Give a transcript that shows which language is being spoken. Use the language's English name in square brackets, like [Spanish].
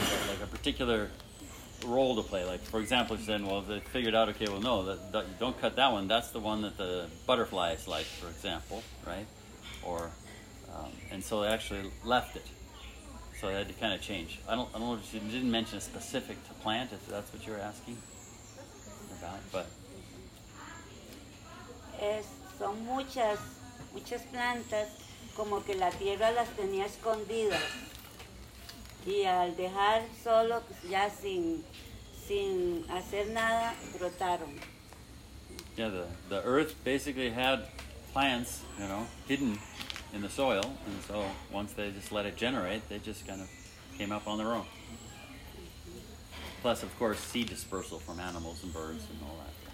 [English] Like a particular role to play. Like, for example, then, well, they figured out, okay, well, no, that don't cut that one, that's the one that the butterflies like, for example, right? Or and so they actually left it, so they had to kind of change. I don't know if you didn't mention a specific to plant, if that's what you're asking about, but [Spanish] son muchas muchas plantas como que la tierra las tenía escondidas. Y al dejar solo, ya sin hacer nada, brotaron. [English] Yeah, the earth basically had plants, you know, hidden in the soil. And so once they just let it generate, they just kind of came up on their own. Mm-hmm. Plus, of course, seed dispersal from animals and birds and all that.